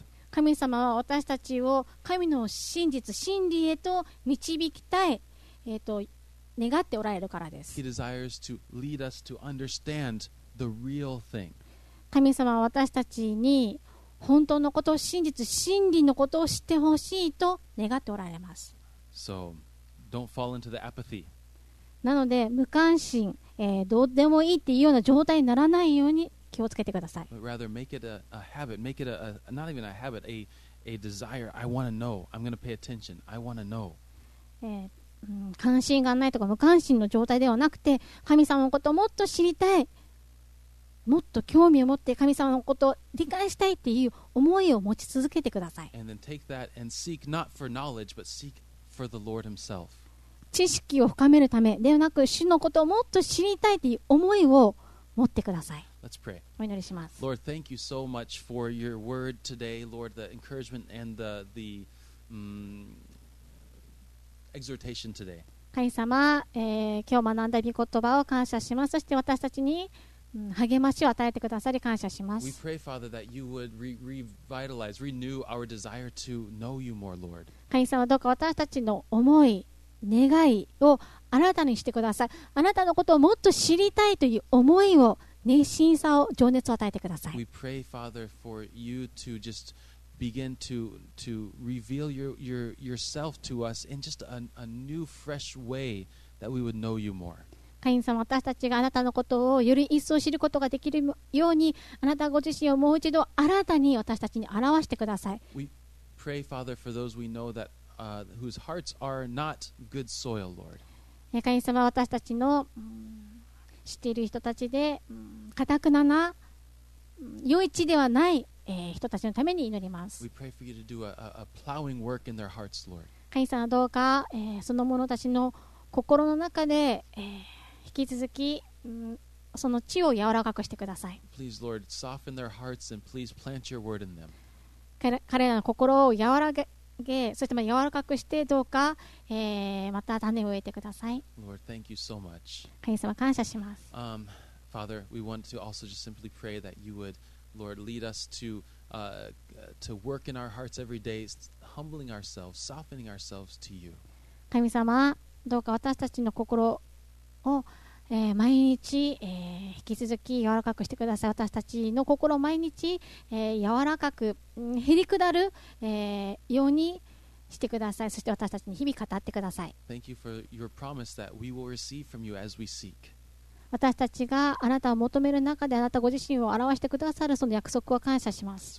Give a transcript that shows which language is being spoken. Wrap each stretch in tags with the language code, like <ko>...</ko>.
<ja>神様は私たちを神の真実、真理へと導きたい、願っておられるからです。</ja> <en>He desires to lead us to understand the real thing.</en> <ja>神様は私たちに本当のこと、真実、真理のことを知ってほしいと願っておられます。</ja> <en>So,Don't fall into the apathy.</en> <ja>なので無関心、どうでもいいっていうような状態にならないように気をつけてください。</ja> <en>But rather make it a habit, make it a not even a habit, a desire. I want to know. I'm going to pay attention. I want to know.、</en> <ja>関心がないとか無関心の状態ではなくて、神様のことをもっと知りたい、もっと興味を持って神様のことを理解したいっていう思いを持ち続けてください。</ja> <en>And then take that and seek not for knowledge, but seek. For the Lord himself.</en> <ja>知識を深めるためではなく主のことをもっと知りたいという思いを持ってください。</ja> <en>Let's pray.</en> <ja>お祈りします。</ja> <en>Lord, thank you so much for your word today, Lord, the encouragement and the exhortation today.</en> <ja>神様、今日学んだ御言葉を感謝します。そして私たちに、励ましを与えてくださり感謝します。</ja> <en>We pray, Father, that you would revitalize, renew our desire to know you more, Lord.</en> <ja>神様どうか私たちの思い、願いを新たにしてください。あなたのことをもっと知りたいという思いを、熱心さを、情熱を与えてください。</ja> <en>We pray, Father, for you to just begin to reveal yourself to us in just a new, fresh way that we would know you more.</en> <ja>神様、私たちがあなたのことをより一層知ることができるように、あなたご自身をもう一度新たに私たちに表してください。</ja> <en>Pray, Father, for those we know that whose hearts are not good soil, Lord.</en> <ja>神様、私たちの知っている人たちで固くなな良い地ではない、人たちのために祈ります。</ja> <en>We pray for you to do a plowing work in their hearts, Lord.</en> <ja>神様、どうか、その者たちの心の中で、引き続き、その地を柔らかくしてください。</ja> <en>Please, Lord, soften their hearts and please plant your word in them.</en> <ja>彼らの心を柔らげ、そして柔らかくしてどうか、また種を植えてください。</ja> <en>Lord, thank you so much.</en> <ja>神様感謝します。</ja> <en>Father, we want to also just simply pray that you would, Lord, lead us to work in our hearts every day, humbling ourselves, softening ourselves to you.</en> <ja>神様、どうか私たちの心を、毎日、引き続き柔らかくしてください。私たちの心を毎日、柔らかく、へり下る、ようにしてください。そして私たちに日々語ってください。</ja> <en>Thank you for your promise that we will receive from you as we seek.</en> <ja>私たちがあなたを求める中であなたご自身を表してくださるその約束を感謝します。</ja>